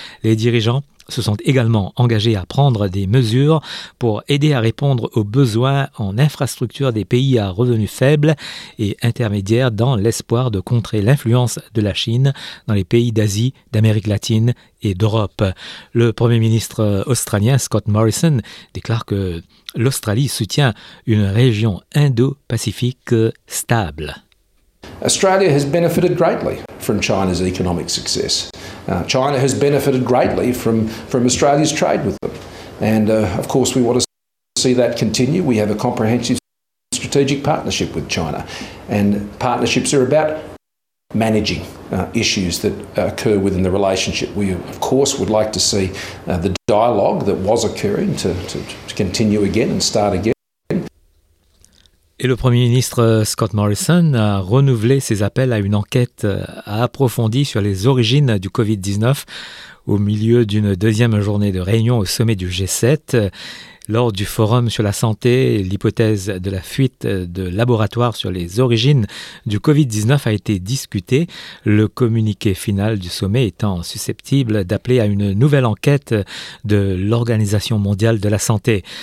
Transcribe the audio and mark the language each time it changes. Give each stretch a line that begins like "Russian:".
French: Les dirigeants se sont également engagés à prendre des mesures pour aider à répondre aux besoins en infrastructures des pays à revenus faibles et intermédiaires dans l'espoir de contrer l'influence de la Chine dans les pays d'Asie, d'Amérique latine et d'Europe. Le Premier ministre australien Scott Morrison déclare que l'Australie soutient une région indo-pacifique stable.
English: Australia has benefited greatly from China's economic success. China has benefited greatly from Australia's trade with them. And of course, we want to see that continue. We have a comprehensive strategic partnership with China. And partnerships are about managing issues that occur within the relationship. We, of course, would like to see the dialogue that was occurring to continue again and start again.
French: Et le Premier ministre Scott Morrison a renouvelé ses appels à une enquête approfondie sur les origines du Covid-19 au milieu d'une deuxième journée de réunion au sommet du G7. Lors du forum sur la santé, l'hypothèse de la fuite de laboratoires sur les origines du Covid-19 a été discutée, le communiqué final du sommet étant susceptible d'appeler à une nouvelle enquête de l'Organisation mondiale de la santé.